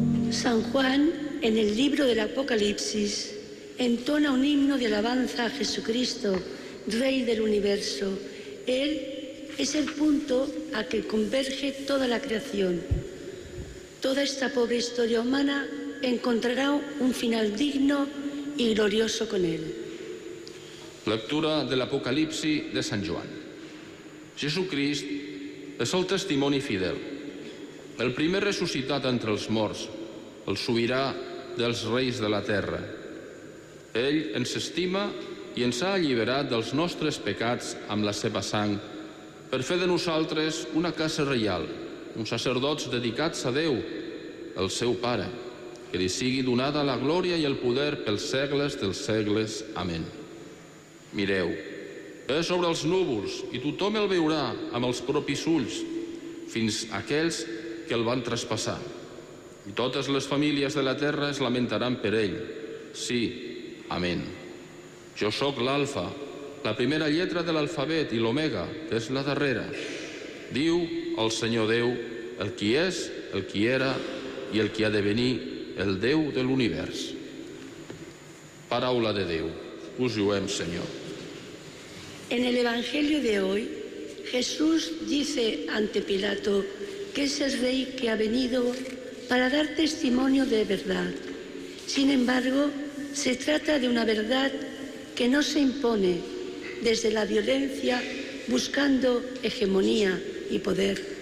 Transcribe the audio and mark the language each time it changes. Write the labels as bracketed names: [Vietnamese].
[Spanish] San Juan, en el libro del Apocalipsis, entona un himno de alabanza a Jesucristo, Rey del Universo. Él es el punto a que converge toda la creación. Toda esta pobre historia humana encontrará un final digno y glorioso con él. [Catalan] Lectura de l'Apocalipsi de Sant Joan. Jesucrist és el testimoni fidel, el primer ressuscitat entre els morts, el sobirà dels reis de la terra. Ell ens estima i ens ha alliberat dels nostres pecats amb la seva sang per fer de nosaltres una casa reial, uns sacerdots dedicats a Déu, el seu Pare. Que li sigui donada la glòria i el poder pels segles dels segles. Amén. Mireu, és sobre els núvols i tothom el veurà amb els propis ulls, fins aquells que el van traspassar. I totes les famílies de la terra es lamentaran per ell. Sí, amén. Jo sóc l'Alfa, la primera lletra de l'alfabet i l'Omega, que és la darrera. Diu el Senyor Déu, el qui és, el qui era i el qui ha de venir, el Déu de l'univers. Paraula de Déu. Us lloem, Senyor. [Spanish] En el Evangelio de hoy, Jesús dice ante Pilato que es el rey que ha venido para dar testimonio de verdad. Sin embargo, se trata de una verdad que no se impone desde la violencia buscando hegemonía y poder.